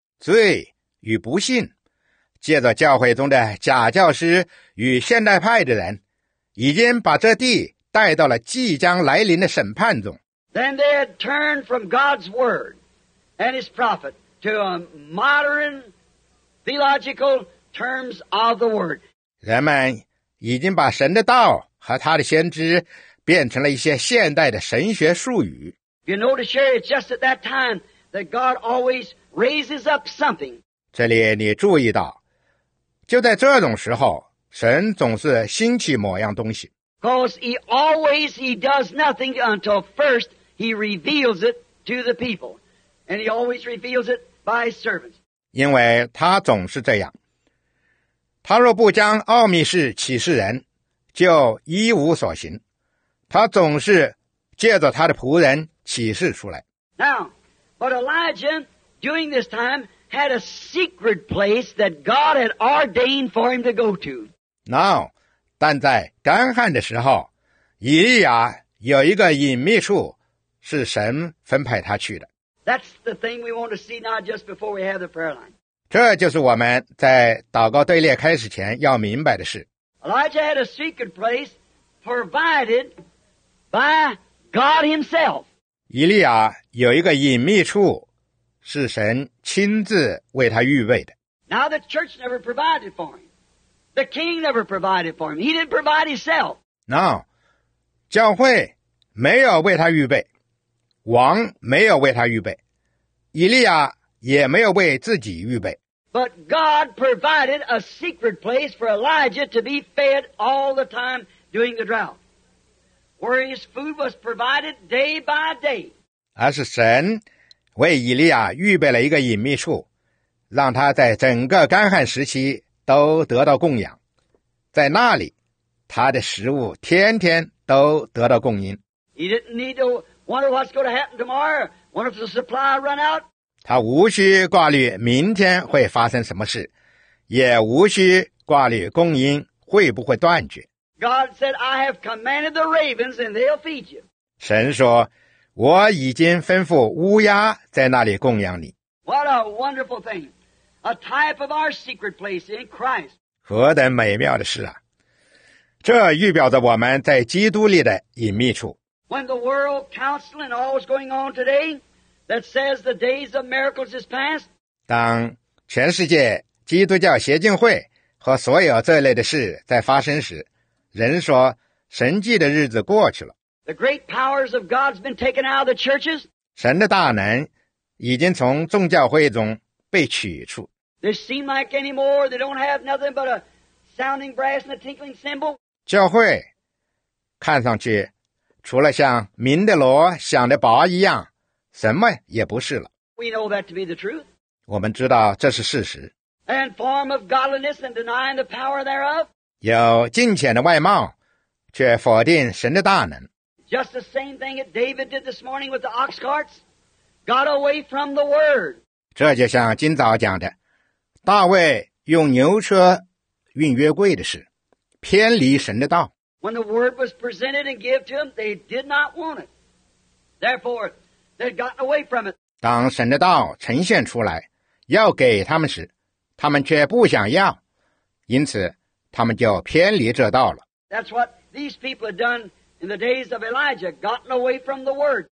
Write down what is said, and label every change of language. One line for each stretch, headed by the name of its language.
Chinese: 罪与不信，借着教会中的假教师与现代派的人，已经把这地带到了即将来临的审判中。
English: Then they had turned from God's word and His prophet to a modern theological terms of the word.
Chinese: 人们已经把神的道和他的先知变成了一些现代的神学术语。
English: You notice here, it's just at that time that God always raises up something.
Chinese: 这里你注意到，就在这种时候，神总是兴起某样东西。
English: Because he always, he does nothing until first he reveals it to the people. And he always reveals it by his servants.
Chinese: 因为他总是这样。他若不将奥秘事启示人，就一无所行。他总是借着他的仆人启示出来。
English: Now, but Elijah, during this time, had a secret place that God had ordained for him to go to.
Chinese: Now, 但在干旱的时候，以利亚有一个隐秘处是神分派他去的。
English: That's the thing we want to see now just before we have the prayer line.
Chinese: 这就是我们在祷告队列开始前要明白的事。
English: Elijah had a secret place provided by God himself.
Chinese: 以利亚有一个隐秘处是神亲自为他预备的。
English: Now the church never provided for him. The king never provided for him. He didn't provide himself.
Chinese: Now, 教会没有为他预备，王没有为他预备，以利亚也没有为自己预备。
English: But God provided a secret place for Elijah to be fed all the time during the drought, where his food was provided day by day.
Chinese: 而是神为以利亚预备了一个隐秘处，让他在整个干旱时期都得到供养，在那里他的食物天天都得到供应。
English: He didn't need to wonder what's going to happen tomorrow, wonder if the supply run out.
Chinese: 他无需挂虑明天会发生什么事，也无需挂虑供应会不会断绝。
English: God said, I have commanded the ravens and they'll feed you.
Chinese: 神说，我已经吩咐乌鸦在那里供养你。
English: What a wonderful thing. A type of our secret place in Christ.
Chinese: 何等美妙的事啊。这预表着我们在基督里的隐秘处。
English: When the world council and all is going on today, that says the days of miracles is past.
Chinese: 当全世界基督教协进会和所有这类的事在发生时，人说神迹的日子过去了。
English: The great powers of God's been taken out of the churches.
Chinese: 神的大能已经从众教会中被取出。
English: They seem like anymore, they don't have nothing but a sounding brass and a tinkling cymbal.
Chinese: 教会看上去除了像鸣的锣响的钹一样什么也不是了。
English: We know that to be the truth.
Chinese: 我们知道这是事实。
English: And form of godliness and denying the power thereof.
Chinese: 有敬虔的外貌却否定神的大能。
English: Just the same thing that David did this morning with the ox carts, got away from the word.
Chinese: 这就像今早讲的，大卫用牛车运约柜的事，偏离神的道。
English: When the word was presented and given to him, they did not want it. Therefore, they had gotten away from it.
Chinese: 当神的道呈现出来，要给他们时，他们却不想要，因此他们就偏离这道了。
English: That's what these people had done. In the days of Elijah, gotten away from the word.